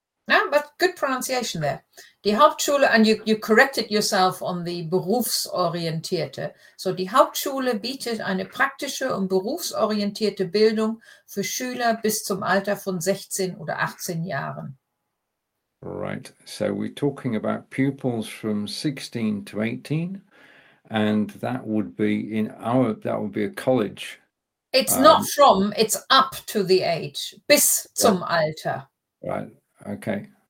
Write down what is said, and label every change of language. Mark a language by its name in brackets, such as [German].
[English] Yeah, but good pronunciation there. Die Hauptschule, and you corrected yourself on the berufsorientierte. [German] So die Hauptschule bietet eine praktische und berufsorientierte Bildung für Schüler bis zum Alter von 16 oder 18 Jahren. [English] Right. So we're talking about pupils from 16 to 18, and that would be a college. It's not from, it's up to the age, [German] bis zum Alter. [English] Right. Okay.